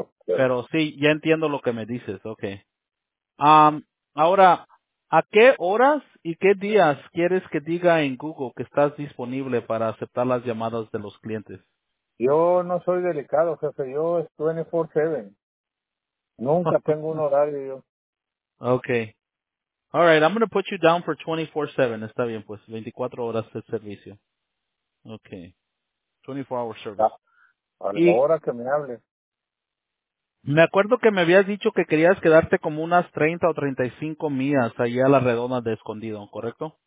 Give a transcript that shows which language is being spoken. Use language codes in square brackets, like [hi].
[es] Pero sí, ya entiendo lo que me dices, okay. Ahora, ¿a qué horas y qué días quieres que diga en Google que estás disponible para aceptar las llamadas de los clientes? Yo no soy delicado, jefe, yo es 24/7. Nunca tengo un horario yo. Okay. [en] All right, I'm going to put you down for 24/7. [es] Está bien, pues 24 horas de servicio. [en] Okay. 24-hour service. [es] Y ahora que me hable. Me acuerdo que me habías dicho que querías quedarte como unas 30 o 35 millas allá a la redonda de Escondido, ¿correcto?